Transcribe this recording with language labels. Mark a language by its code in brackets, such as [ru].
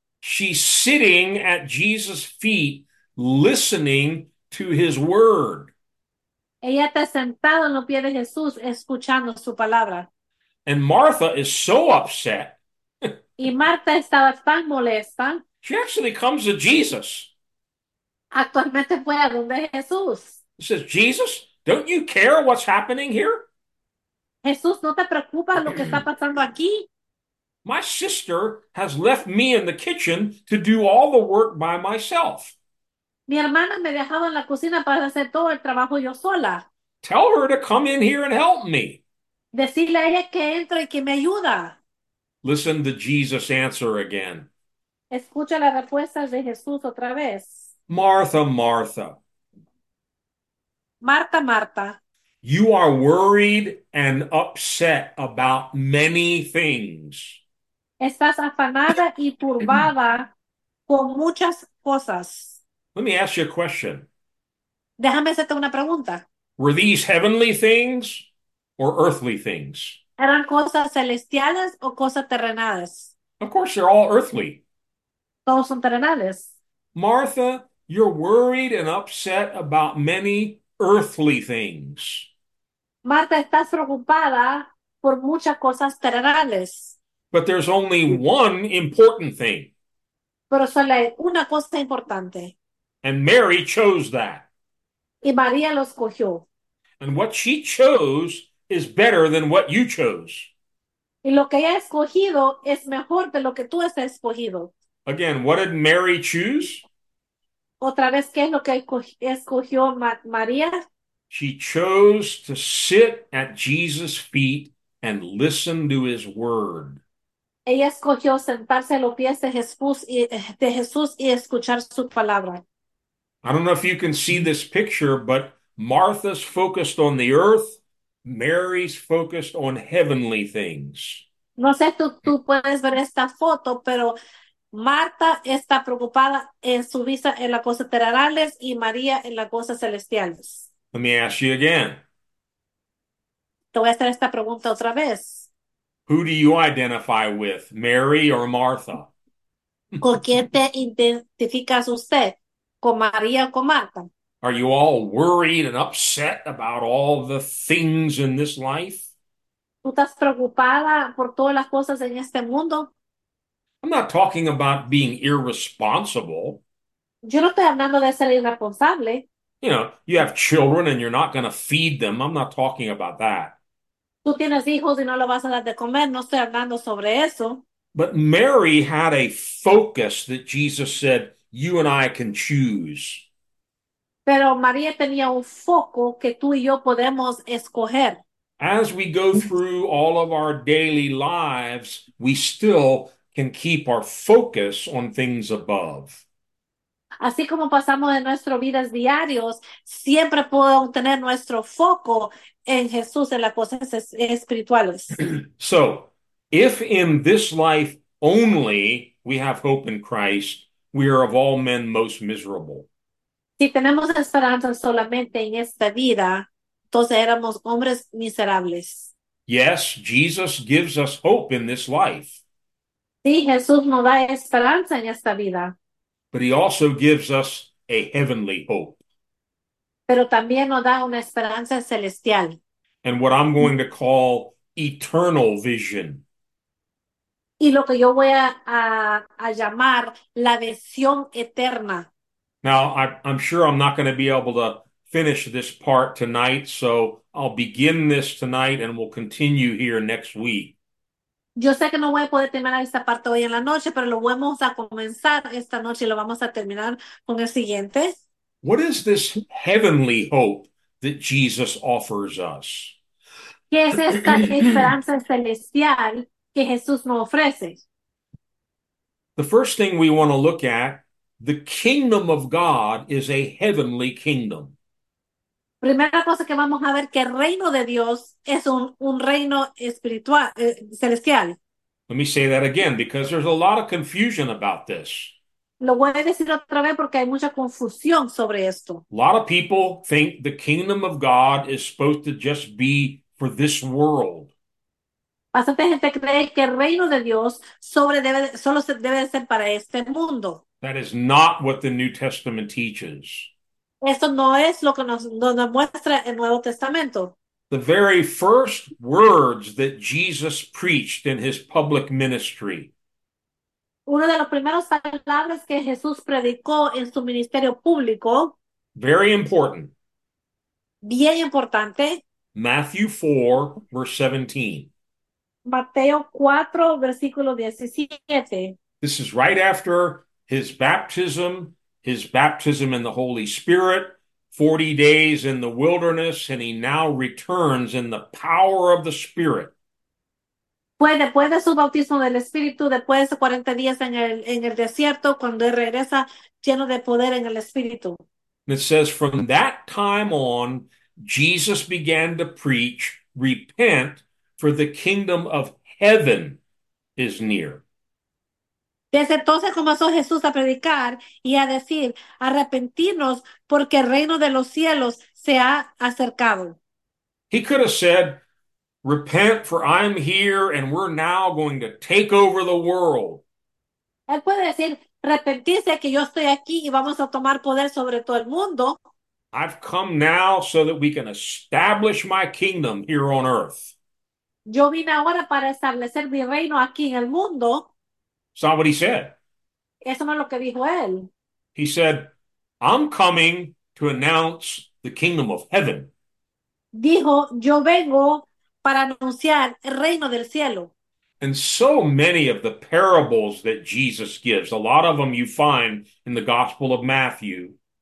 [en] She's sitting at Jesus' feet, listening to his word. [es] Ella está sentada en los pies de Jesús, escuchando su palabra. [en] And Martha is so upset. [es] Y Marta estaba tan molesta. [en] She actually comes to Jesus. [es] Actualmente fue a donde Jesús. [en] He says, Jesus, don't you care what's happening [es] Jesús, ¿no te preocupa lo que está [en] here? [es] pasando aquí? [en] My sister has left me in the kitchen to do all the work by myself. [es] Mi hermana me ha dejado en la cocina para hacer todo el trabajo yo sola. [en] Tell her to come in here and help me. [es] Decirle a ella que entre y que me ayuda. [en] Listen to Jesus' answer again. [es] Escucha las respuestas de Jesús otra vez. [en] Martha, Martha. [es] Marta, Marta. [en] You are worried and upset about many things. [es] Estás afanada y [en] Me [es] turbada con muchas cosas. [en] ask you a question. [es] Déjame hacerte una pregunta. [en] Were these heavenly things or earthly things? [es] ¿Eran cosas celestiales o cosas terrenales? [en] Of course, they're all earthly. [es] Todos son terrenales. [en] Martha, you're worried and upset about many earthly things. [es] Marta, estás preocupada por muchas cosas terrenales. [en] But there's only one important thing. [es] Pero solo hay una cosa importante. [en] And Mary chose that. [es] Y María lo escogió. [en] And what she chose is better than what you chose. [es] Y lo que ella ha escogido es mejor de lo que tú has escogido. [en] Again, what did Mary choose? [es] Otra vez, ¿qué es lo que escogió María? [en] She chose to sit at Jesus' feet and listen to his word. [es] Ella escogió sentarse a los pies de Jesús y escuchar su palabra. [en] I don't know if you can see this picture, but Martha's focused on the earth, Mary's focused on heavenly things. [es] No sé si tú puedes ver esta foto, pero Marta está preocupada en su vista en las cosas terrenales y María en las cosas celestiales. [en] Let me ask you again. [es] Te voy a hacer esta pregunta otra vez. [en] Who do you identify with, Mary or Martha? [es] ¿Con quién te identificas usted? ¿Con María o con Marta? [en] Are you all worried and upset about all the things in this life? [es] ¿Tú estás preocupada por todas las cosas en este mundo? [en] I'm not talking about being irresponsible. [es] Yo no estoy hablando de ser irresponsable. [en] You have children and you're not going to feed them. I'm not talking about that. [es] Tú tienes hijos y no lo vas a dar de comer. No estoy hablando sobre eso. [en] But Mary had a focus that Jesus said, you and I can choose. [es] Pero María tenía un foco que tú y yo podemos escoger. [en] As we go through all of our daily lives, we still can keep our focus on things above. [es] Así como pasamos en nuestras vidas diarias, siempre podemos tener nuestro foco en Jesús, en las cosas espirituales. [en] So, if in this life only we have hope in Christ, we are of all men most miserable. [es] Si tenemos esperanza solamente en esta vida, entonces éramos hombres miserables. [en] Yes, Jesus gives us hope in this life. [es] Sí, Jesús nos da esperanza en esta vida. [en] But he also gives us a heavenly hope. [es] Pero también nos da una esperanza celestial. [en] And what I'm going to call eternal vision. [es] Y lo que yo voy a llamar la visión eterna. [en] Now, I'm sure I'm not going to be able to finish this part tonight, so I'll begin this tonight and we'll continue here next week. [es] Yo sé que no voy a poder terminar esta parte hoy en la noche, pero lo vamos a comenzar esta noche y lo vamos a terminar con el siguiente. [en] What is this heavenly hope that Jesus offers us? [es] ¿Qué es esta esperanza celestial que Jesús nos ofrece? [en] The first thing we want to look at, the kingdom of God is a heavenly kingdom. [es] Primera cosa que vamos a ver, que el reino de Dios es un reino espiritual, celestial. [en] Let me say that again because there's a lot of confusion about this. [es] Lo voy a decir otra vez porque hay mucha confusión sobre esto. [en] A lot of people think the kingdom of God is supposed to just be for this world. [es] Bastante gente cree que el reino de Dios solo debe ser para este mundo. [en] That is not what the New Testament teaches. [es] Esto no es lo que nos muestra el Nuevo Testamento. [en] The very first words that Jesus preached in his public ministry. [es] Una de las primeras palabras que Jesús predicó en su ministerio público, [en] Very important. [es] bien importante. [en] Matthew 4, verse 17. [es] Mateo 4, versículo 17. [en] This is right after his baptism in the Holy Spirit, 40 days in the wilderness, and he now returns in the power of the Spirit. [es] Fue después de su bautismo del Espíritu, después de 40 días en el desierto, cuando él regresa lleno de poder en el Espíritu. [en] It says, from that time on, Jesus began to preach, repent, for the kingdom of heaven is near. [es] Desde entonces comenzó Jesús a predicar y a decir, arrepentirnos porque el reino de los cielos se ha acercado. [en] He could have said, repent, for I'm here, and we're now going to take over the world. [es] Él puede decir, arrepentirse que yo estoy aquí y vamos a tomar poder sobre todo el mundo. [en] I've come now so that we can establish my kingdom here on earth. [es] Yo vine ahora para establecer mi reino aquí en el mundo. [en] It's not what he said. [es] Eso no es lo que dijo él. [en] He said, I'm coming to announce the kingdom of heaven. [es] Dijo, yo vengo para anunciar el reino del cielo. [en] And so many of the parables that Jesus gives, a lot of them you find in the Gospel of Matthew.